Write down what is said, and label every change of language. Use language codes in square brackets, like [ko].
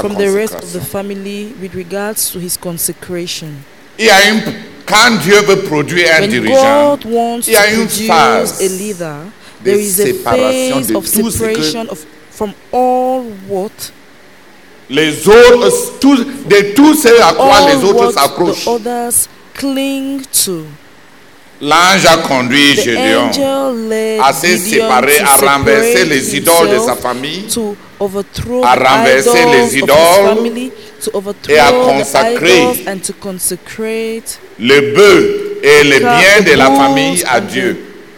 [en] from the rest of the family with regards to his consecration. [fr] Il y a une, quand Dieu veut produire un dirigeant, il y a une phase [en] a leader, there is a phase of separation of from all what [fr] les autres tout, de tout ce à quoi les autres s'accrochent. [en] The others cling to. [fr] L'ange a conduit Gédéon à se séparer, à renverser les idoles de sa famille, à renverser les idoles et à consacrer le bœuf et les biens de la famille à Dieu.